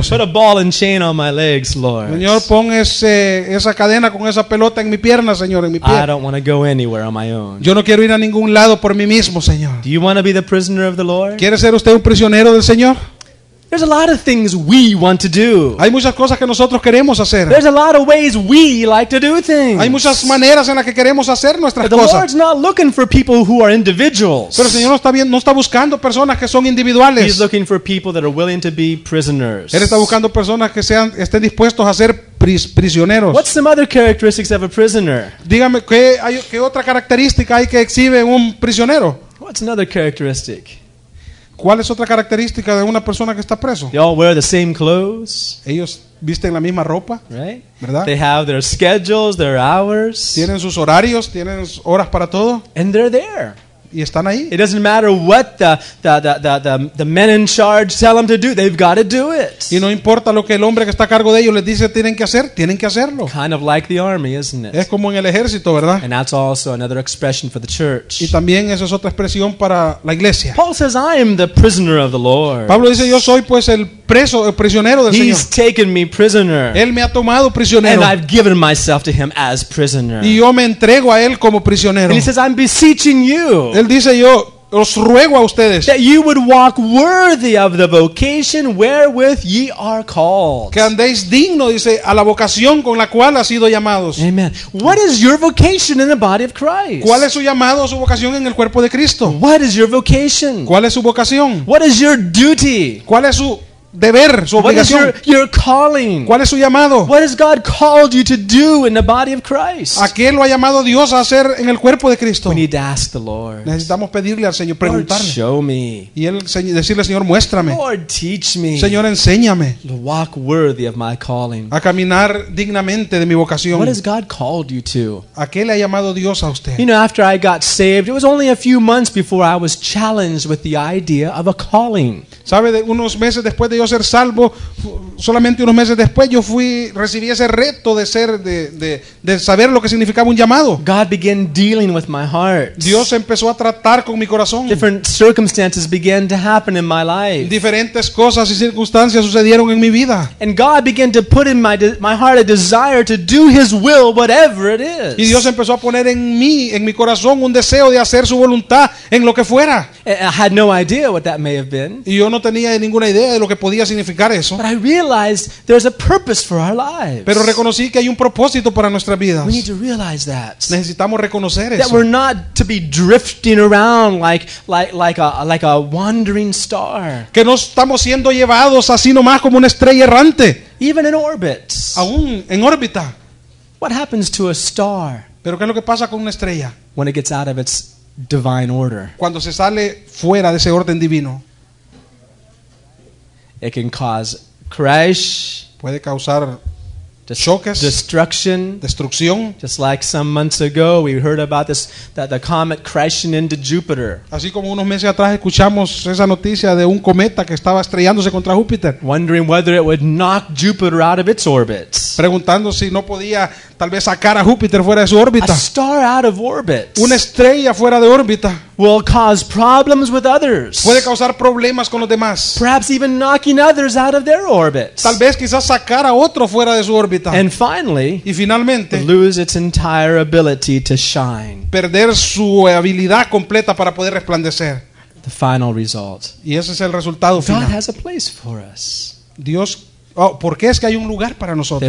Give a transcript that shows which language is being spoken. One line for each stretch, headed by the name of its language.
English: Put a ball and chain on my legs, Lord.
Spanish: Señor, pon esa cadena con esa pelota en mi pierna, Señor, en mi pie.
English: I don't want to go anywhere on my own.
Spanish: Yo no quiero ir a ningún lado por mí mismo, Señor.
English: Do you want to be the prisoner of the Lord?
Spanish: ¿Quiere ser usted un prisionero del Señor?
English: There's a lot of things we want to do.
Spanish: Hay muchas cosas que nosotros queremos hacer.
English: There's a lot of ways we like to do things.
Spanish: Hay muchas maneras en las que queremos hacer nuestras cosas.
English: But the Lord's not looking for people who are individuals.
Spanish: Pero el Señor no está buscando personas que son individuales.
English: He's looking for people that are willing to be prisoners.
Spanish: Él está buscando personas que estén dispuestos a ser prisioneros.
English: What's some other characteristics of a prisoner?
Spanish: Dígame qué otra característica hay que exhibe un prisionero.
English: What's another characteristic?
Spanish: ¿Cuál es otra característica de una persona que está preso?
English: They all wear the same clothes.
Spanish: Ellos visten la misma ropa,
English: right?
Spanish: ¿Verdad?
English: They have their schedules, their hours.
Spanish: Tienen sus horarios, tienen horas para todo.
English: And they're there.
Spanish: Y están ahí.
English: It doesn't matter what the men in charge tell them to do. They've got to do it.
Spanish: Y no importa lo que el hombre que está a cargo de ellos les dice, tienen que hacer, tienen que hacerlo.
English: Kind of like the army, isn't it?
Spanish: Es como en el ejército, ¿verdad?
English: And that's also another expression for the church.
Spanish: Y también eso es otra expresión para la iglesia.
English: Paul says, I am the prisoner of the Lord.
Spanish: Pablo dice, yo soy pues el prisionero del
English: He's He's taken me prisoner.
Spanish: Él me ha tomado prisionero.
English: And I've given myself to him as prisoner.
Spanish: Y yo me entrego a él como prisionero.
English: And he says, I'm beseeching you.
Spanish: Él dice, yo os ruego a ustedes
English: that you would walk worthy of the vocation wherewith ye are called.
Spanish: Que andéis digno, dice, a la vocación con la cual has sido llamados.
English: Amen. What is your vocation in the body of Christ?
Spanish: ¿Cuál es su llamado, su vocación en el cuerpo de Cristo?
English: What is your vocation?
Spanish: ¿Cuál es su vocación?
English: What is your duty?
Spanish: ¿Cuál es su deber, su obligación?
English: What is your calling?
Spanish: ¿Cuál es su llamado?
English: What has God called you to do in the body of Christ?
Spanish: ¿A qué lo ha llamado Dios a hacer en el cuerpo de Cristo?
English: We need to ask the Lord.
Spanish: Necesitamos pedirle al Señor, preguntarle.
English: Lord, show me.
Spanish: Y él decirle, Señor, muéstrame.
English: Lord, teach me.
Spanish: Señor, enséñame.
English: To walk worthy of my calling.
Spanish: A caminar dignamente de mi vocación.
English: What has God called you to?
Spanish: ¿A qué le ha llamado Dios a usted?
English: You know, after I got saved, it was only a few months before I was challenged with the idea of a calling.
Spanish: ¿Sabe? Unos meses después de ser salvo, solamente unos meses después yo fui, recibí ese reto de ser, de saber lo que significaba un llamado.
English: God began dealing with my heart.
Spanish: Dios empezó a tratar con mi corazón.
English: Different circumstances began to happen in my life.
Spanish: Diferentes cosas y circunstancias sucedieron en mi vida.
English: And God began to put in my heart a desire to do his will, whatever it is.
Spanish: Y Dios empezó a poner en mi corazón un deseo de hacer su voluntad en lo que fuera.
English: I had no idea what that may have been.
Spanish: Y yo no tenía ninguna idea de lo que podía significar eso.
English: But I realized there's a purpose for our lives.
Spanish: Pero reconocí que hay un propósito para nuestras vidas.
English: We need to realize that.
Spanish: Necesitamos reconocer eso.
English: That we're not to be drifting around like a wandering star.
Spanish: Que no estamos siendo llevados así nomás como una estrella errante.
English: Even in orbit.
Spanish: Aún en órbita.
English: What happens to a star?
Spanish: Pero ¿qué es lo que pasa con una estrella?
English: When it gets out of its divine order.
Spanish: Cuando se sale fuera de ese orden divino.
English: It can cause crash.
Spanish: Puede causar choques,
English: destruction.
Spanish: Destrucción.
English: Just like some months ago, we heard about this, that the comet crashing into Jupiter.
Spanish: Así como unos meses atrás escuchamos esa noticia de un cometa que estaba estrellándose contra Júpiter.
English: Wondering whether it would knock Jupiter out of its orbit.
Spanish: Preguntando si no podía tal vez sacar a Júpiter fuera de su órbita.
English: A star out of orbit.
Spanish: Una estrella fuera de órbita.
English: Will cause problems with others.
Spanish: Puede causar problemas con los demás.
English: Perhaps even knocking others out of their orbits.
Spanish: Tal vez quizás sacar a otro fuera de su órbita.
English: And finally,
Spanish: y finalmente,
English: lose its entire ability to shine.
Spanish: Perder su habilidad completa para poder resplandecer.
English: The final result.
Spanish: Y ese es el resultado final.
English: God has a place for us.
Spanish: Dios. Oh, ¿por qué es que hay un lugar para nosotros?